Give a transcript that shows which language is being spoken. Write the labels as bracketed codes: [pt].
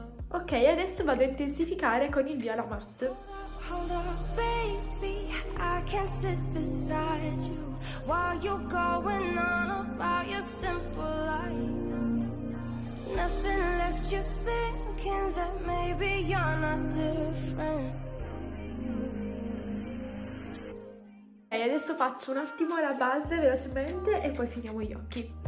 [it] Ok, adesso vado a intensificare con il viola matte. [en] Hold up, baby, I can sit beside you while you're going on about your simple life. Nothing left you thinking that maybe you're not different. [it] E adesso faccio un attimo la base velocemente e poi finiamo gli occhi.